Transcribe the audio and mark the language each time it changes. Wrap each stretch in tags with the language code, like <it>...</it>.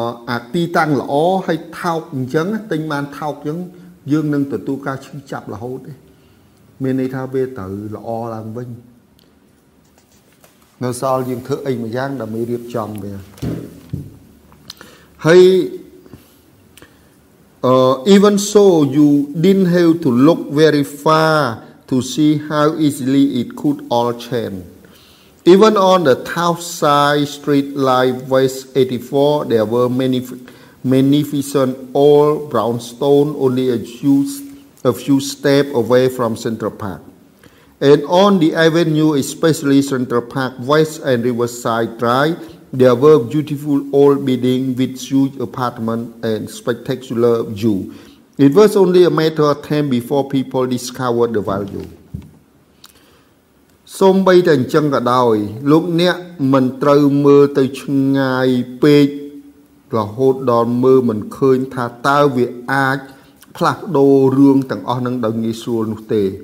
<km>អាទីតាំងល្អហើយថោកអញ្ចឹងទិញបានថោកអញ្ចឹងយើងនឹងទទួលការឈឺចាប់រហូតទេមានន័យថាវាត្រូវល្អឡើងវិញនៅសល់យើងធ្វើអីមួយយ៉ាងដើម្បីរៀបចំវាហើយ</km> <en>even so you didn't have to look very far to see how easily it could all change. Even on the town side street like West 84, there were many magnificent old brownstone only a few steps away from Central Park. And on the avenue, especially Central Park West and Riverside Drive, there were beautiful old buildings with huge apartments and spectacular view. It was only a matter of time before people discovered the value.</en> <km>សូម្បីតែអញ្ចឹងក៏ដោយលោកអ្នកមិនត្រូវមើលទៅឆ្ងាយពេករហូតដល់មើលមិនឃើញថាតើវាអាចផ្លាស់ប្ដូររឿងទាំងអស់នឹងដោយងាយស្រួលនោះទេ</km>